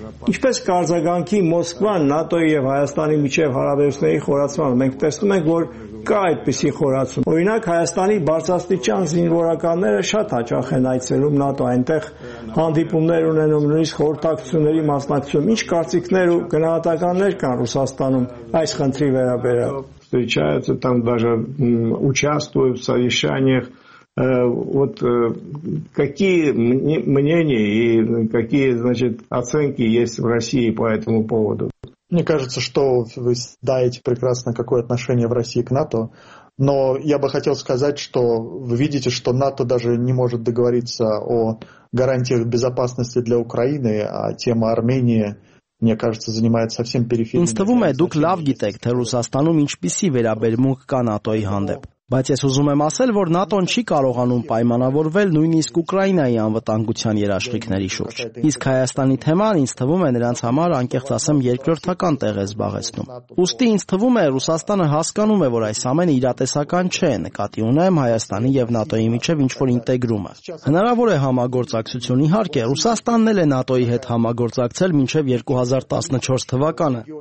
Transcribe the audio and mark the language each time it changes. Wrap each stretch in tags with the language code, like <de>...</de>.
<hy>Ինչպես կարձագանքի Մոսկվան ՆԱՏՕ-ի և Հայաստանի միջև հարաբերությունների խորացման, մենք տեսնում ենք, որ կա այդպիսի խորացում։ Օրինակ, Հայաստանի բարձրաստիճան զինվորականները շատ հաճախ են այցելում ՆԱՏՕ, այնտեղ հանդիպումներ ունենում, նույնիսկ խորհրդակցությունների մասնակցում։ Ինչ կարծիքներ ու գնահատականներ կան Ռուսաստանում այս խնդրի վերաբերյալ։</hy> <ru>Встречаются там даже, участвуют в совещаниях. Вот какие мнения и какие, значит, оценки есть в России по этому поводу? Мне кажется, что вы знаете прекрасно, какое отношение в России к НАТО. Но я бы хотел сказать, что вы видите, что НАТО даже не может договориться о гарантиях безопасности для Украины, а тема Армении... Мне кажется, занимает совсем периферийный.</ru> <hy>Ինձ թվում է, դուք լավ գիտեք, թե Ռուսաստանում ինչպիսի վերաբերմունք կա ՆԱՏՕ-ի հանդեպ։ Բայց ես ուզում եմ ասել, որ ՆԱՏՕ-ն չի կարողանում պայմանավորվել նույնիսկ Ուկրաինայի անվտանգության երաշխիքների շուրջ։ Իսկ Հայաստանի թեման ինձ թվում է նրանց համար անկեղծ ասեմ երկրորդական տեղ է զբաղեցնում։ Ուստի ինձ թվում է, Ռուսաստանը հասկանում է, որ այս ամենը իրատեսական չէ, նկատի ունեմ Հայաստանի և ՆԱՏՕ-ի միջև ինչ-որ ինտեգրումը։ Հնարավոր է համագործակցություն, իհարկե, Ռուսաստանն էլ է ՆԱՏՕ-ի հետ համագործակցել մինչև 2014 թվականը,</hy>